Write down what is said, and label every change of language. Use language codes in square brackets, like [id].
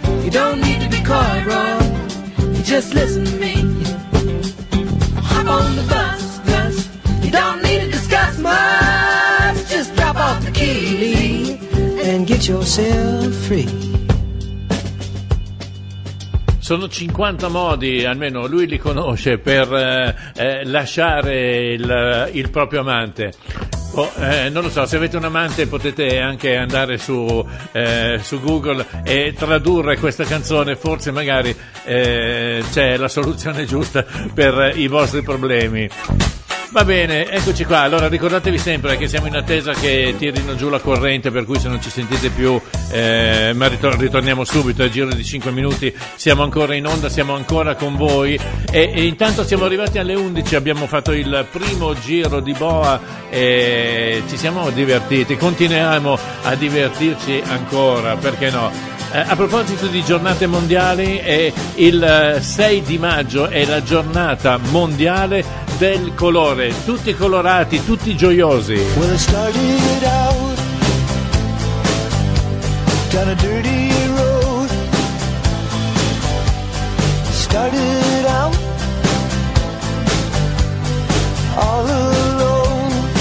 [en] You don't need to be coy, Roy. You just listen to me. Hop on the bus, Gus. You don't need to discuss much. Just drop off the key and get yourself free. [it] Sono 50 modi, almeno lui li conosce, per lasciare il proprio amante. Non lo so, se avete un amante potete anche andare su Google e tradurre questa canzone, forse magari c'è la soluzione giusta per i vostri problemi. Va bene, eccoci qua. Allora ricordatevi sempre che siamo in attesa che tirino giù la corrente, per cui se non ci sentite più, ma ritorniamo subito, al giro di 5 minuti siamo ancora in onda, siamo ancora con voi. E intanto siamo arrivati alle 11, abbiamo fatto il primo giro di boa e ci siamo divertiti, continuiamo a divertirci ancora, perché no? A proposito di giornate mondiali, il 6 di maggio è la giornata mondiale del colore. Tutti colorati, tutti gioiosi. [en] Well, I started out down a dirty road. Started out all alone.